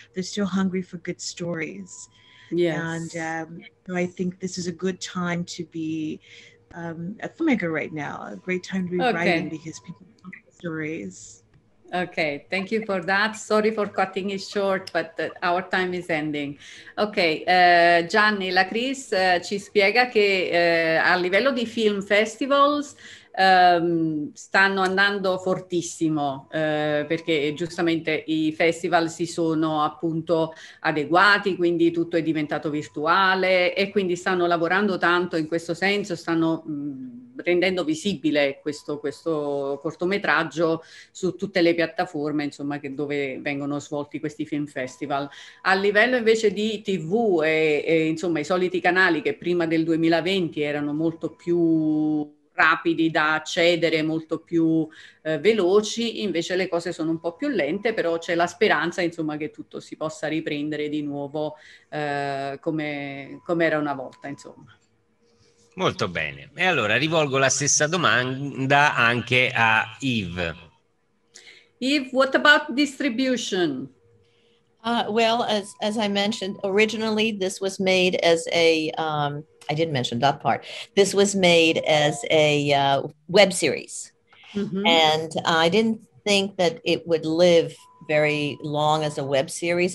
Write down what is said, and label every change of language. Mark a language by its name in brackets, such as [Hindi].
[English] They're still hungry for good stories. Yes. And so I think this is a good time to be a filmmaker right now, a great time to be writing because people are hungry for stories. Okay, thank you for that. Sorry for cutting it short, but our time is ending. [Italian] Okay, Gianni, la Cris ci spiega che a livello di film festivals stanno andando fortissimo, perché giustamente i festival si sono appunto adeguati, quindi tutto è diventato virtuale e quindi stanno lavorando tanto in questo senso, stanno rendendo visibile questo cortometraggio su tutte le piattaforme, insomma, che dove vengono svolti questi film festival. A livello invece di TV e insomma i soliti canali che prima del 2020 erano molto più rapidi da accedere, molto più veloci, invece le cose sono un po' più lente, però c'è la speranza, insomma, che tutto si possa riprendere di nuovo come era una volta, insomma. Molto bene. E allora rivolgo la stessa domanda anche a Yves. [English] Yves, what about distribution? Well, as I mentioned, originally this was made as a, I didn't mention that part, this was made as a web series. Mm-hmm. And I didn't think that it would live very long as a web series.